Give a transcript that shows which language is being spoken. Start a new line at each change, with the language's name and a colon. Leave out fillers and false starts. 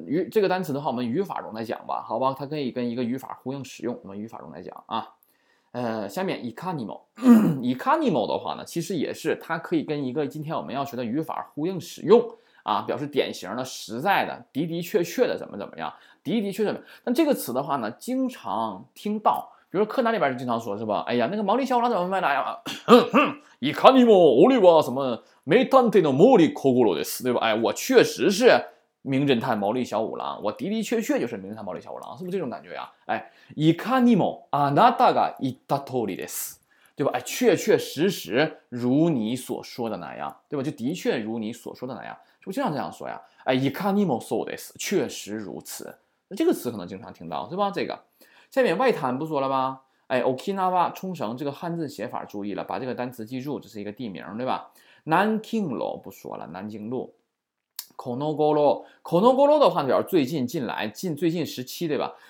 Chinese: 这个单词的话，我们语法中来讲吧，好吧，它可以跟一个语法呼应使用。我们语法中来讲啊，下面
Japanese: いかにも，いかにも
Chinese: 的话呢，其实也是它可以跟一个今天我们要学的语法呼应使用啊，表示典型的、实在的、的的确确的怎么怎么样，的的确确的。但这个词的话呢，经常听到，比如说课堂里边就经常说，是吧？哎呀，那个毛利小五郎怎么卖的呀？
Japanese: いかにも俺は
Chinese: 什么？
Japanese: 名探偵の毛利小五郎です，
Chinese: 对吧？哎，我确实是名侦探毛利小五郎，我的的确确就是名侦探毛利小五郎，是不是这种感觉呀？哎，
Japanese: いかにもあなたが言った通りです，
Chinese: 对吧？哎，确确实实如你所说的那样，对吧？就的确如你所说的那样，是不是经常这样说呀？哎，
Japanese: いかにもそうです，
Chinese: 确实如此。这个词可能经常听到，对吧？这个下面外滩不说了吧？哎 ，Okinawa 冲绳这个汉字写法注意了，把这个单词记住，这是一个地名，对吧？南京路不说了，南京路。
Japanese: このごろ，このごろ
Chinese: 的话表示最近、近来、近最近时期，对吧？